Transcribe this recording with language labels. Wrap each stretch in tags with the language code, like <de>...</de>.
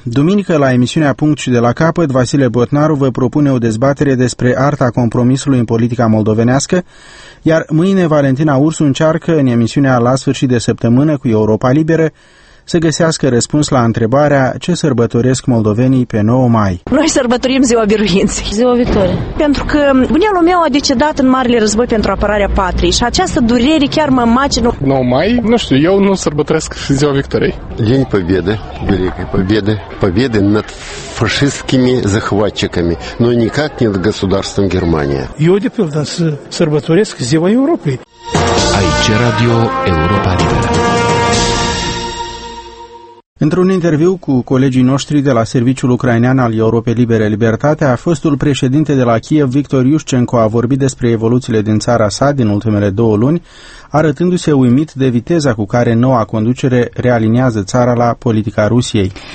<ro>Duminică, la emisiunea Punct și de la capăt, Vasile Botnaru vă propune o dezbatere despre arta compromisului în politica moldovenească, iar mâine Valentina Ursu încearcă, în emisiunea La sfârșit de săptămână cu Europa Liberă, să găsească răspuns la întrebarea ce sărbătoresc moldovenii pe 9 mai. Noi sărbătorim ziua biruinței. Ziua victoriei. Pentru că bunelul meu a decedat în marele război pentru apărarea patriei și această durere chiar mă macină. 9 mai? Nu știu, eu nu sărbătoresc ziua victoriei.</ro> <ru>День победы, великой победы, победы над фашистскими захватчиками, но никак не над государством Германия.</ru> <ro>Eu de pildă să sărbătoresc ziua Europei. Aici Radio Europa Liberă. Într-un interviu cu colegii noștri de la Serviciul Ucrainean al Europei Libere Libertate, fostul președinte de la Kiev, Victor Iușcenco, a vorbit despre evoluțiile din țara sa din ultimele 2 luni, arătându-se uimit de viteza cu care noua conducere realinează țara la politica Rusiei.</ro>